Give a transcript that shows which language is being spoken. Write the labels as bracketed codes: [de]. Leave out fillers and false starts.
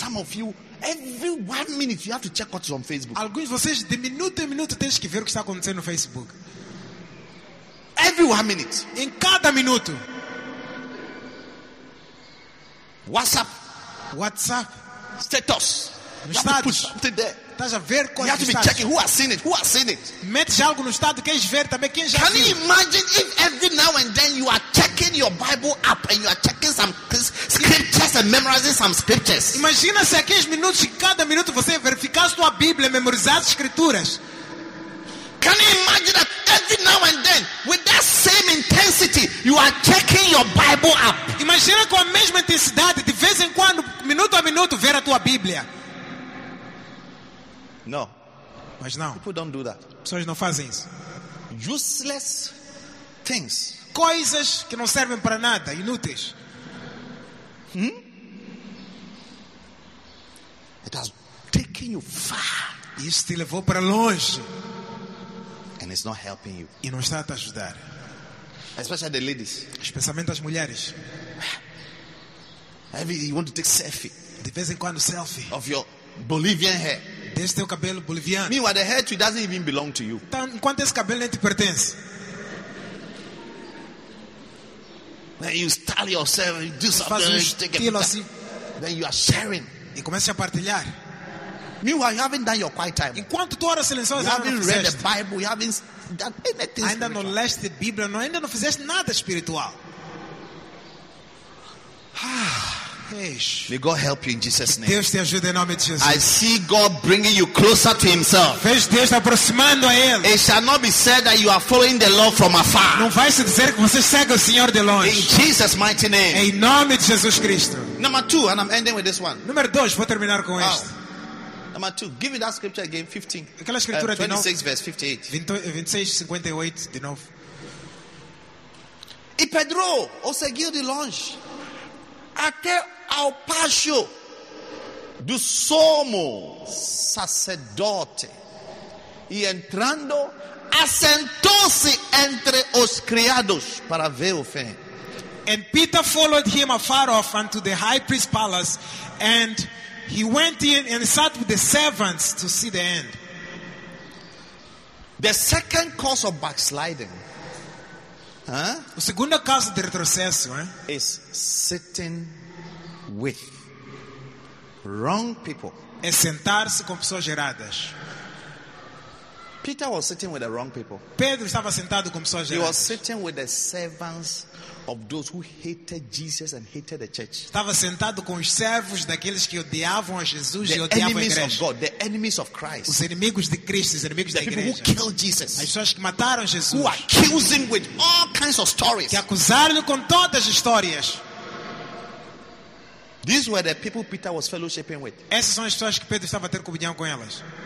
[en] Some of you, every 1 minute, you have to check what's on Facebook. [pt] Alguns de vocês, de minuto em minuto, têm que ver o que está acontecendo no Facebook. [en] A Every 1 minute. [pt] In cada minuto. [en] WhatsApp. [pt] WhatsApp. [en] Status. [pt] No status. [en] Put something there. [pt] Estás a ver [en] you have to be [pt] estás. [en] Checking who has seen it. Who has seen it? [pt] Mete algo no estado, queres ver também quem já [en] can [pt] viu? [en] You imagine if every now and then you are checking your Bible app and you are checking some scriptures and memorizing some scriptures? [pt] Imagina se aqueles minutos, cada minuto você verificasse tua Bíblia, memorizasse escrituras. [en] Can you imagine that every now and then, with that same intensity, you are checking your Bible app? [pt] Imagina com a mesma intensidade, de vez em quando, minuto a minuto, ver a tua Bíblia. [en] No. [pt] Mas não. [en] People don't do that. [pt] Pessoas não fazem isso. [en] Useless things. [pt] Coisas que não servem para nada, inúteis. Hmm? [en] It has taken you far. [pt] Isso te levou para longe. [en] And it's not helping you. [pt] E não está a te ajudar. [en] Especially the ladies. [pt] Especialmente as mulheres. [en] Every you want to take selfie. [pt] De vez em quando selfie. [en] Of your Bolivian hair. [pt] Deste teu cabelo boliviano. [en] Meanwhile, the hair tree doesn't even belong to you. [pt] Enquanto esse cabelo nem te pertence. [en] Then you style yourself, you do something, you take a [pt] assim. [en] Then you are sharing. [pt] E começa a partilhar. [en] Meanwhile, you haven't done your quiet time. [pt] Enquanto tu oras silenciosamente, [en] you haven't read the Bible, you haven't done anything. [pt] Ainda não leste a Bíblia, ainda não fizeste nada espiritual. [en] May God help you in Jesus' name. [pt] Deus te ajude em nome de Jesus. [en] I see God bringing you closer to Himself. [pt] Vejo Deus aproximando a Ele. [en] It shall not be said that you are following the Lord from afar. [pt] Não vai se dizer que você segue o Senhor de longe. [en] In Jesus' mighty name. [pt] Em nome de Jesus Cristo. [en] Number two, and I'm ending with this one. [pt] Número dois, vou terminar com este. [en] Number two, give me that scripture again, 15. [pt] Aquela escritura de novo. [en] 26 verse 58. [pt] 26, 58 de novo. E Pedro, ou seguiu de longe. Até ao pátio do sumo sacerdote e entrando assentou-se entre os criados para ver o fim. [en] And Peter followed him afar off unto the high priest's palace, and he went in and sat with the servants to see the end. The second cause of backsliding. [pt] O segundo caso de retrocesso, [en] is sitting with wrong people. [pt] É sentar-se com pessoas erradas. [en] Peter was sitting with the wrong people. [pt] Pedro estava sentado com pessoas erradas. [en] He was sitting with the servants of those who hated Jesus and hated the church. [pt] Estava sentado com os servos daqueles que odiavam a Jesus [en] the [pt] e odiavam a igreja. [en] Enemies of God, the enemies of Christ. [pt] Os inimigos de Cristo, os inimigos [en] the [pt] da igreja. [en] Who killed Jesus. [pt] As pessoas que mataram Jesus. [en] Who accused him with all kinds of stories. [pt] Que acusaram-no com todas as histórias. [en] These were the people Peter was fellowshipping with. [pt] Essas são as pessoas que Pedro estava a ter comunhão com elas.